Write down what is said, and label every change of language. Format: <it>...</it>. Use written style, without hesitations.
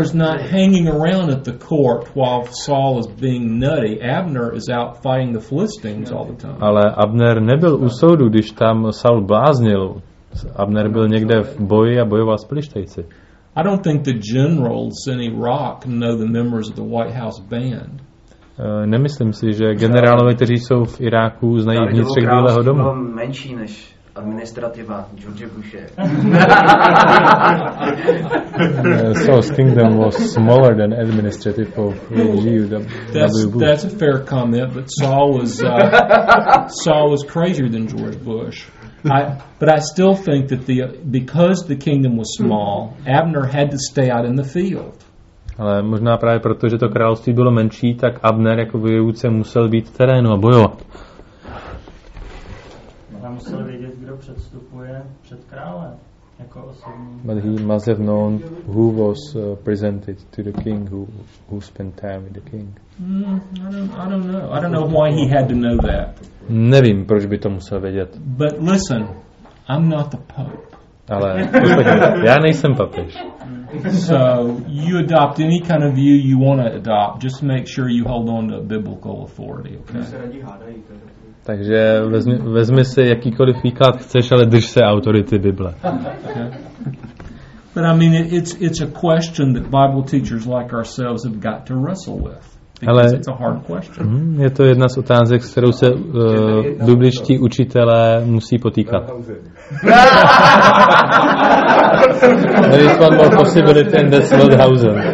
<en>is not hanging around at the court while Saul is being nutty. Abner is out fighting the Philistines all the time.</en> <cs>Ale Abner nebyl u soudu, když tam Saul bláznil. Abner byl někde v boji a bojoval s Filištejci.</cs> <en>I don't think the generals in Iraq know the members of the White House band.</en> <cs>Nemyslím si, že generálové, kteří jsou v Iráku, znají vnitřek Bílého domu. Byl menší než administrativa George Bushe.</cs> <en>Saul's kingdom was smaller than administrative of GW. That's a fair comment, but Saul was crazier than George Bush. But I still think that because the kingdom was small, Abner had to stay out in the field.</en> <cs>Ale možná právě proto, že to království bylo menší, tak Abner jako vojevůdce musel být v terénu a bojovat. A musel vědět, kdo předstupuje před krále jako osobní.</cs> <en>But he must have known who was presented to the king, who spent time with the king. I don't know why he had to know that.</en> <cs>Nevím, proč by to musel vědět.</cs> <en>But listen, I'm not the pope.</en> <cs>Ale posledně, já nejsem papež.</cs> <en>So you adopt any kind of view you want to adopt, just make sure you hold on to biblical authority, okay?</en> <cs>Takže vezmi si jakýkoliv výklad chceš, ale drž se autority Bible.</cs> <en>But I mean it's a question that Bible teachers like ourselves have got to wrestle with. Ale it's a hard question.</en> <cs>Je to jedna z otázek, s kterou se bibličtí učitelé musí potýkat.</cs> <en>There is one more possibility, and that's Waldhausen.</en>